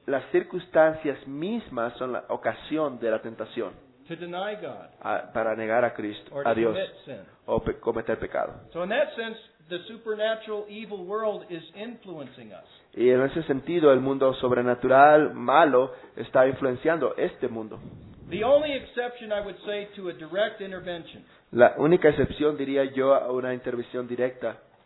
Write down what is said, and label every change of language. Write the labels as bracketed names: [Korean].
[Spanish] Las circunstancias mismas son la ocasión de la tentación. [English] To deny God. [Spanish] Para negar a Cristo, [English] or [Spanish] a Dios. [English] Sin. [Spanish] O cometer pecado. [English] So in that sense, the supernatural evil world is influencing us. [Spanish] Y en ese sentido, el mundo sobrenatural, malo, está influenciando este mundo. [English] The only exception, I would say, to a direct intervention, [Spanish] la única excepción, diría yo, a una intervención directa,